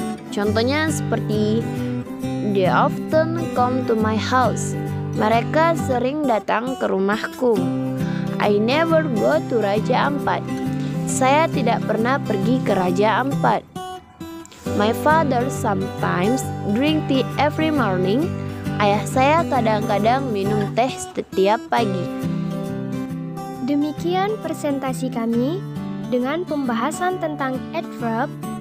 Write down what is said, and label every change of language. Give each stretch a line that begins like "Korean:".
Indonesian: Contohnya seperti
English: they often come to my house.
Indonesian: Mereka sering datang ke rumahku.
English: I never go to Raja Ampat.
Indonesian: Saya tidak pernah pergi ke Raja Ampat.
English: My father sometimes drink tea every morning.
Indonesian: Ayah saya kadang-kadang minum teh setiap pagi. Demikian presentasi kami dengan pembahasan tentang adverb.